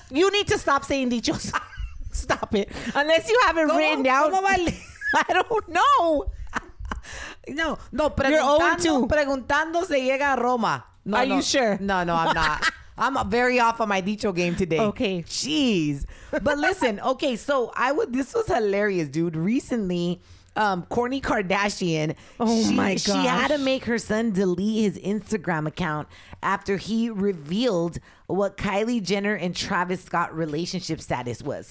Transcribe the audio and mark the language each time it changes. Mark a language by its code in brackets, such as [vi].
[en] You need to stop saying dichos. Stop it. Unless you have it written down. [es] ¿Cómo va el dicho? [en] I don't know. [es] No, preguntando se llega a Roma. No, [en] are you sure? No, I'm not. I'm very off on my dicho game today. Okay. Jeez. But listen, okay, so this was hilarious, dude. Recently, Kourtney Kardashian, she had to make her son delete his Instagram account after he revealed what Kylie Jenner and Travis Scott relationship status was.